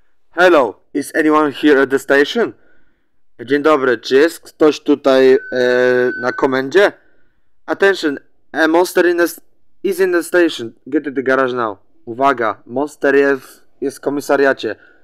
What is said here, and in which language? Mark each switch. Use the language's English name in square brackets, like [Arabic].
[English] Hello, is anyone here at the station? [Polish] Dzień dobry, czy jest ktoś tutaj na komendzie? [English] Attention, a monster is in the station. Get to the garage now. [Polish] Uwaga, monster jest w komisariacie.